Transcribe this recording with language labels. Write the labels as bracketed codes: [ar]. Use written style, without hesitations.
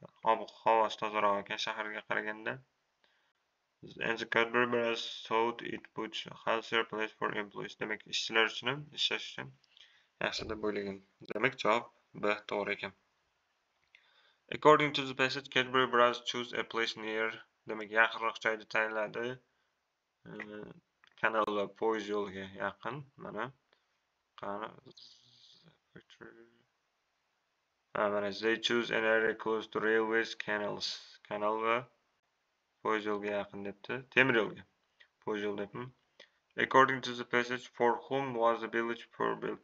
[uz] Havo tozaroq ekan shaharga qaraganda. [en] And the Cadbury brothers thought it would be a healthier place for employees. [uz] Demak, ishchilar uchun ishlash uchun yaxshi deb o'ylagan. Demak, javob B to'g'ri ekan. [en] According to the passage, Cadbury brothers chose a place near. [uz] Demak, yaqinroq joyni tanladi. Kanal va poyezd yo'liga yaqin. Mana qani [en] they choose an area close to railways canals. [uz] Kanal va poyezd yo'liga yaqin debdi. Temir yo'lga. Poyezd yo'l debmi? [en] According to the passage, for whom was the village poor built?